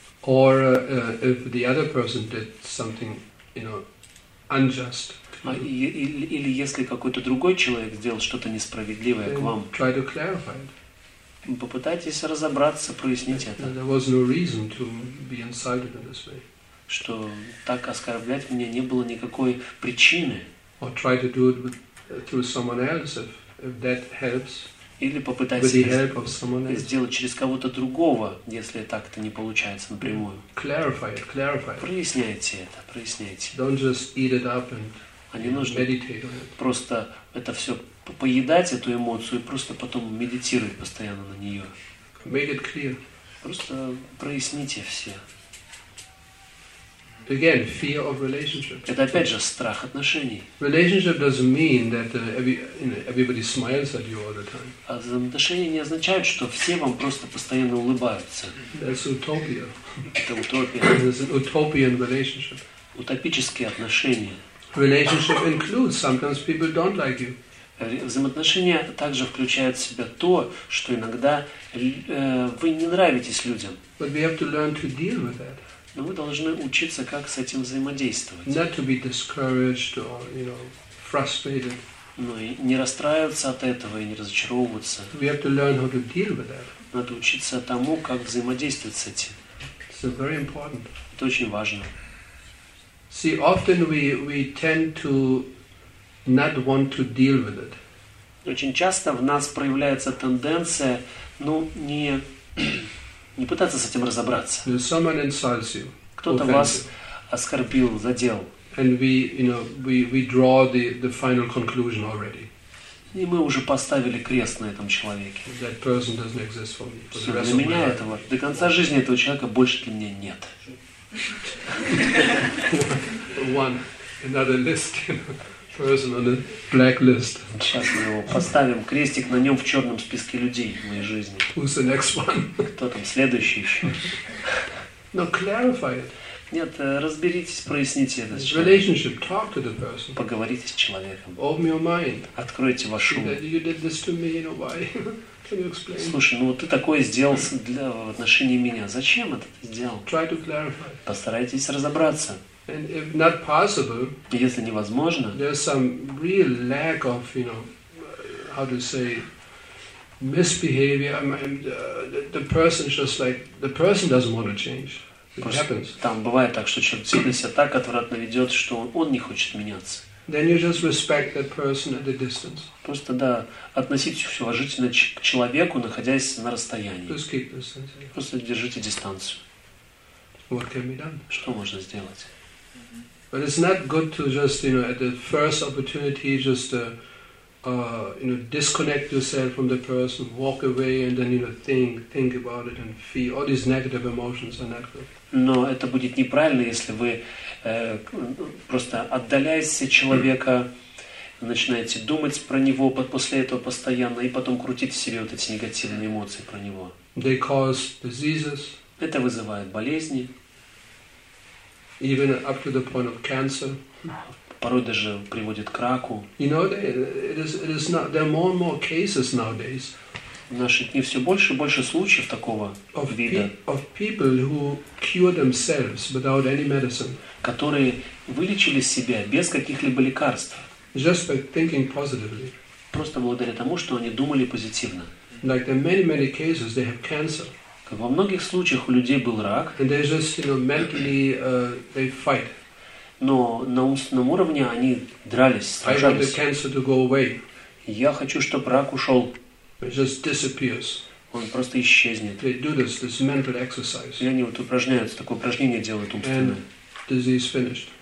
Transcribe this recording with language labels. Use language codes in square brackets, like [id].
[en] Or if the other person did something, you know, unjust. [ru] Или если какой-то другой человек сделал что-то несправедливое к вам, [en] try to clarify it. [ru] Попытайтесь разобраться, прояснить это. [en] There was no reason to be insulted in this way. [ru] Что так оскорблять меня не было никакой причины. [en] Or try to do it with, through someone else, if that helps. [ru] Или попытайтесь [en] with the help of someone else. [ru] Сделать через кого-то другого, если так-то не получается напрямую. [en] Clarify it, clarify it. [ru] Проясняйте это, проясняйте. [en] Don't just eat it up and meditate on it. [ru] Просто это все поедать, эту эмоцию, и просто потом медитировать постоянно на нее. [en] Make it clear. [ru] Просто проясните все. [en] Again, fear of relationship. [ru] Это опять же страх отношений. [en] Relationship doesn't mean that everybody smiles at you all the time. [ru] А взаимоотношения не означают, что все вам просто постоянно улыбаются. [en] That's utopia. [ru] Это утопия. [en] It's an utopian relationship. [ru] Утопические отношения. [en] Relationship includes sometimes people don't like you. [ru] Взаимоотношения также включают в себя то, что иногда вы не нравитесь людям. [en] But we have to learn to deal with that. [ru] Но вы должны учиться, как с этим взаимодействовать. [en] Not to be discouraged or, you know, frustrated. [ru] Ну и не расстраиваться от этого и не разочаровываться. [en] We have to learn how to deal with that. [ru] Надо учиться тому, как взаимодействовать с этим. [en] It's very important. [ru] Это очень важно. [en] See, often we tend to not want to deal with it. [ru] Очень часто в нас проявляется тенденция, ну, не... Не пытаться с этим разобраться. [en] Someone insults you, [ru] кто-то вас оскорбил, задел. [en] And we, you know, we draw the final conclusion already. [ru] И мы уже поставили крест на этом человеке. [en] That person doesn't exist for me. [ru] Все, для меня этого, до конца жизни этого человека больше для меня нет. [en] One, another list. person on the blacklist. [ru] Сейчас мы его поставим крестик на нем в черном списке людей в моей жизни. [en] Who's the next one? [ru] Кто там следующий еще? [en] No, clarify it. [ru] Нет, разберитесь, проясните это с человеком. [en] Talk to the person. [ru] Поговорите с человеком. [en] Open your mind. [ru] Откройте ваш ум. [en] You did this to me, you know why? Can you explain? [ru] Слушай, ну вот ты такое сделал для в отношении меня. Зачем это ты сделал? [en] Try to clarify. [ru] Постарайтесь разобраться. [en] And if not possible, [ru] если невозможно, [en] there's some real lack of, you know, how to say, misbehavior. I mean, the person just like the person doesn't want to change. [ru] Там бывает так, что человек действительно себя так отвратно ведет, что он не хочет меняться. [en] Then you just respect that person at a distance. [ru] Просто да, относитесь уважительно к человеку, находясь на расстоянии. [en] Just keep distance. [ru] Просто держите дистанцию. [en] What can be done? [ru] Что можно сделать? [en] But it's not good to just, you know, at the first opportunity, just you know, disconnect yourself from the person, walk away, and then, you know, think about it and feel all these negative emotions are not good. [ru] Но это будет неправильно, если вы просто отдаляетесь от человека, начинаете думать про него после этого постоянно, и потом крутите себе вот эти негативные эмоции про него. [en] They cause diseases. [ru] Это вызывает болезни. [en] Even up to the point of cancer. [ru] Порой даже приводит к раку. [en] You know, it is not, there are more and more cases nowadays. [ru] В наши дни все больше и больше случаев такого вида. [en] Of people who cure themselves without any medicine. [ru] Которые вылечили себя без каких-либо лекарств. [en] Just by thinking positively. [ru] Просто благодаря тому, что они думали позитивно. [en] Like there are many, many cases they have cancer. [ru] Во многих случаях у людей был рак. [en] And they just, you know, mentally, they fight. [ru] Но на умственном уровне они дрались, сражались. [en] I want the cancer to go away. [ru] Я хочу, чтобы рак ушел. [en] It just disappears. [ru] Он просто исчезнет. [en] They do this mental exercise. [ru] И они вот упражняются, такое упражнение делают умственное. [en] And disease finished.